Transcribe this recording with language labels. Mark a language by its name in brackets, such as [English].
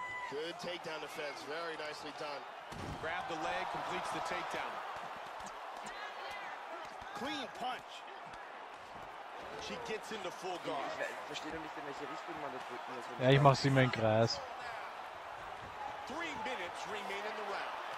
[English] Good takedown defense, very nicely done. Grab the leg, completes the takedown. Clean punch. She gets into full guard. [German] Ich verstehe nicht, in welche Richtung man das drücken muss. Ja, ich mach sie immer in Kreis. [English] 3 minutes remain in the round.